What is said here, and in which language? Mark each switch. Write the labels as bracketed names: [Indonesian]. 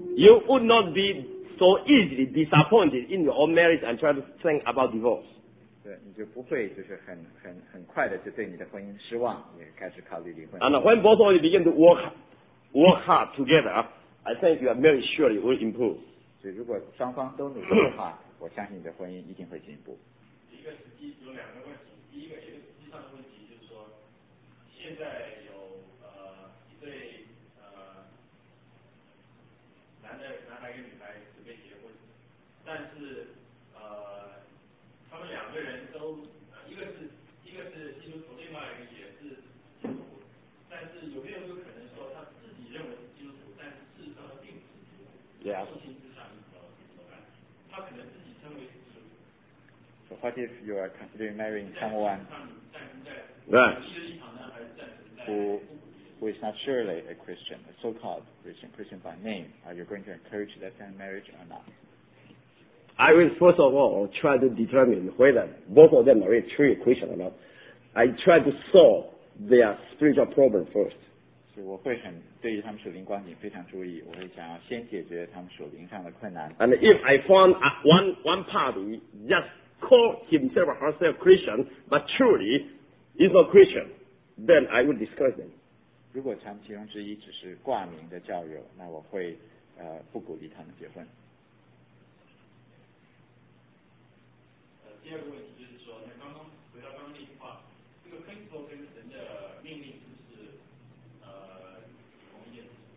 [English] you would not be so easily disappointed in your own marriage and try to think about divorce. [Chinese] 你就不会就是很快的就对你的婚姻失望，也开始考虑离婚。 [English] And when both of you begin to work hard together, I think your marriage surely will improve. [Chinese] 所以如果双方都努力的话，我相信你的婚姻一定会进步。一个实际有两个问题，第一个其实实际上的问题就是说，现在有一对男孩跟女孩准备结婚，但是。他们两个人都，一个是基督徒，另外一个也是基督徒，但是有没有一个可能说他自己认为是基督徒，但是事实上他并不是基督徒？对啊。父亲之上，你怎么办？他可能自己称为是基督徒。 [English] So what if you are considering marrying someone? Who is not surely a Christian, a so-called Christian by name? Are you going to encourage that kind of marriage or not? I will first of all try to determine whether both of them are really true Christian or not. I try to solve their spiritual problem first. [Chinese] 是，我会很对于他们属灵光景非常注意，我会想要先解决他们属灵上的困难。 [English] And if I found one party just call himself or herself Christian, but truly is not Christian, then I would discourage them. [Chinese] 如果他们其中之一只是挂名的教友，那我会不鼓励他们结婚。第二个问题就是说，那刚刚回到刚刚那句话，这个 principle 跟神的命令是不是同一件事？